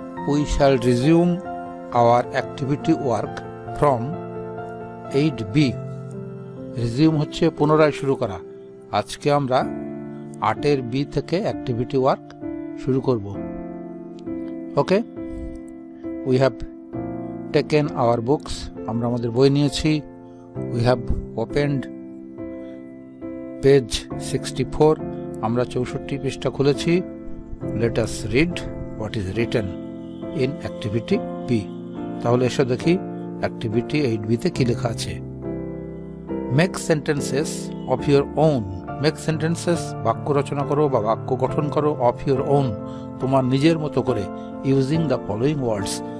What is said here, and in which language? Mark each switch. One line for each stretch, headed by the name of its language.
English: We shall resume our activity work from 8B.
Bangla: Resume হচ্ছে পুনরায় শুরু করা. আজকে আমরা 8 এর B থেকে activity work শুরু করব.
English: Okay? We have taken our books.
Bangla: আমরা আমাদের বই নিয়েছি.
English: We have opened page 64.
Bangla: আমরা 64 পৃষ্ঠা খুলেছি.
English: Let us read what is written in activity B.
Bangla: তাহলে এসো দেখি activity 8B তে কি লেখা আছে.
English: Make sentences of your own. Make sentences
Bangla: বাক্য রচনা করো বা বাক্য গঠন করো
English: of your own
Bangla: তোমার নিজের মতো করে
English: using the following words.